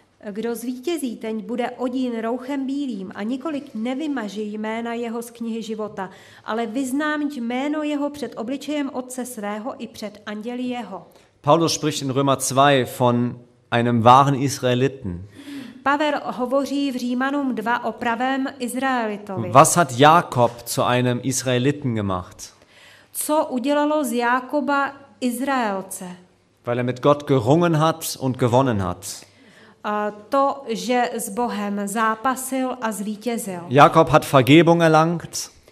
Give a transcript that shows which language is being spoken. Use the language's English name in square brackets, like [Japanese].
[Czech] Kdo zvítězí, ten bude odín rouchem bílým a nikolik nevymaží jména jeho z knihy života, ale vyznám jméno jeho před obličejem Otce svého i před anděli jeho. [German] Paulus spricht in Römer 2 von einem wahren Israeliten. [Czech] Pavel hovoří v Římanům 2 o pravém Izraelitovi. [German] Was hat Jakob zu einem Israeliten gemacht? [Czech] Co udělalo z Jakoba Izraelce? [German] Weil er mit Gott gerungen hat und gewonnen hat. [Czech] To, že s Bohem zápasil a zvítězil. [German] Jakob hat Vergebung erlangt.